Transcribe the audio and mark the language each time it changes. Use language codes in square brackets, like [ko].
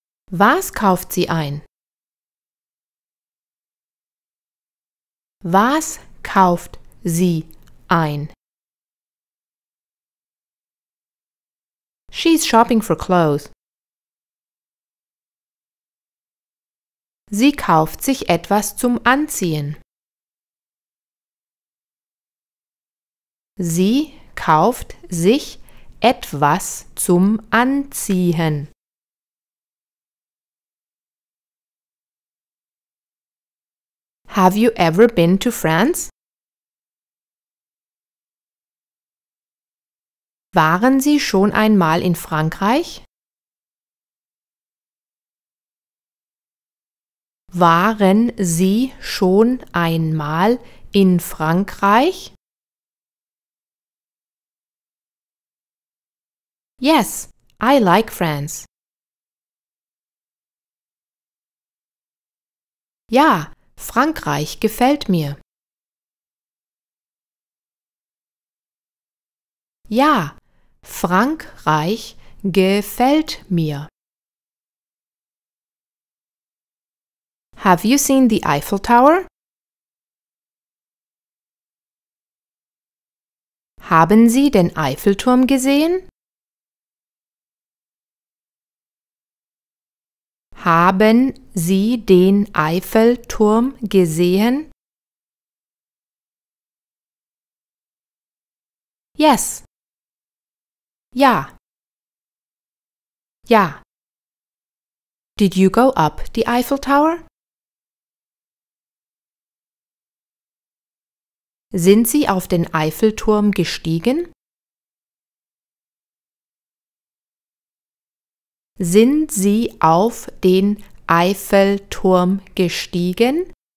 [de] Was kauft sie ein? Was kauft sie ein? [en] She's shopping for clothes. [de] Sie kauft sich etwas zum Anziehen. Sie kauft sich etwas zum Anziehen. [en] Have you ever been to France? [de] Waren Sie schon einmal in Frankreich? Waren Sie schon einmal in Frankreich? [en] Yes, I like France. [de] Ja, Frankreich gefällt mir. Ja, Frankreich gefällt mir. [en] Have you seen the Eiffel Tower? [de] Haben Sie den Eiffelturm gesehen? Haben Sie den Eiffelturm gesehen? [en] Yes. [de] Ja. Ja. [en] Did you go up the Eiffel Tower? [de] Sind Sie auf den Eiffelturm gestiegen? Sind Sie auf den Eiffelturm gestiegen?